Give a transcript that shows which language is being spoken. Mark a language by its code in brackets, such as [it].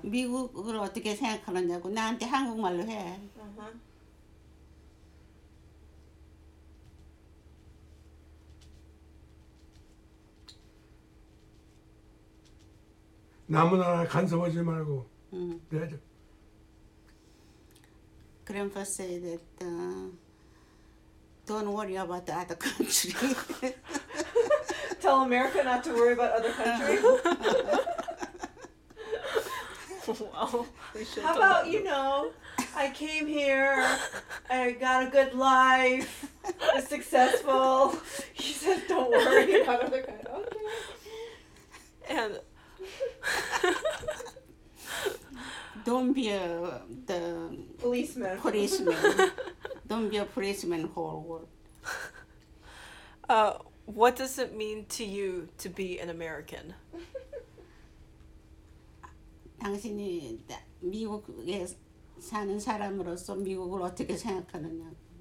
[ko] 미국을 어떻게 생각하느냐고 나한테 한국말로 해. 남의 나라 간섭하지 말고. 내가 [en] Grandpa said that don't worry about the other country. Tell America not to worry about other countries. Wow. How about, you know, I came here, I got a good life, I was successful. He said, don't worry about other countries. Okay. And don't be a the policeman. Don't be a policeman whole world. What does it mean to you to be an American? [ko] 당신이 미국에 사는 사람으로서 미국을 어떻게 생각하느냐?